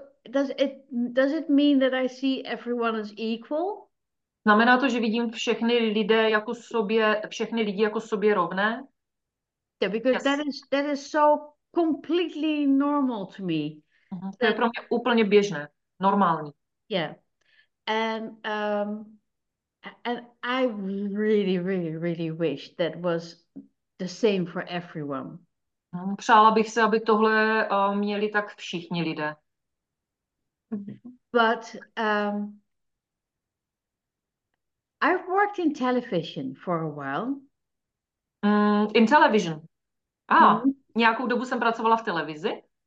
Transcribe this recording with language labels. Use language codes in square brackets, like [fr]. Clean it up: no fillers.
[en] Does it mean that I see everyone as equal? [cs] Znamená to, že vidím všechny lidi jako sobě rovné? [en] Yeah, because yes. that is so completely normal to me. [cs] To je pro mě úplně běžné, normální. [en] Yeah. And I really, really, really wish that was the same for everyone. [cs] Přála bych se, aby tohle měli tak všichni lidé. [en] But I've worked in television for a while. In television. [cs] Nějakou dobu jsem pracovala v televizi.